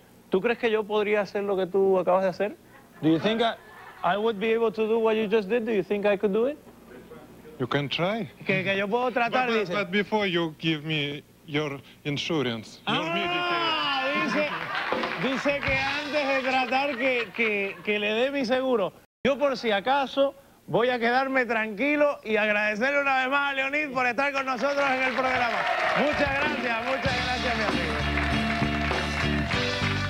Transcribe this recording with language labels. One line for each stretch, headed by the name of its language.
Spanish: ¿Tú crees que yo podría hacer lo que tú acabas de hacer?
English: Do you think I would be able to do what you just did? Do you think I could do it? You can try.
Spanish: Que yo puedo tratar, dice.
English: But before you give me your insurance, your Medicare.
Spanish: Dice que antes de tratar que le dé mi seguro, yo por si acaso voy a quedarme tranquilo y agradecerle una vez más a Leonid por estar con nosotros en el programa. Muchas gracias, mi amigo.